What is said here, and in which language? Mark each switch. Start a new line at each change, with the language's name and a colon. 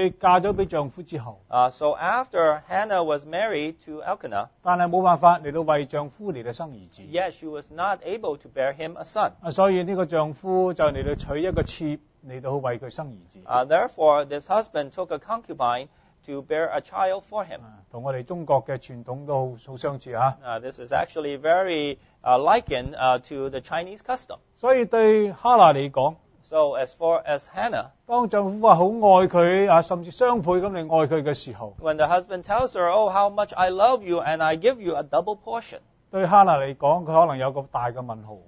Chinese: 就係呢，哈拿嚟到去嫁咗俾丈夫之後。
English: So after Hannah was married to Elkanah.
Chinese: 但係冇辦法嚟到為丈夫嚟到生兒子。
English: Yet she was not able to bear him a son.
Chinese: 所以呢個丈夫就嚟到娶一個妾嚟到去為佢生兒子。
English: Therefore, this husband took a concubine to bear a child for him.
Chinese: 同我哋中國嘅傳統都好相似啊。
English: This is actually very likened to the Chinese custom.
Chinese: 所以對哈拿嚟講，
English: So as far as Hannah,
Chinese: 當丈夫話好愛佢，甚至雙倍咁嚟愛佢嘅時候，
English: When the husband tells her, Oh, how much I love you and I give you a double portion.
Chinese: 對哈拿嚟講，佢可能有個大嘅問號。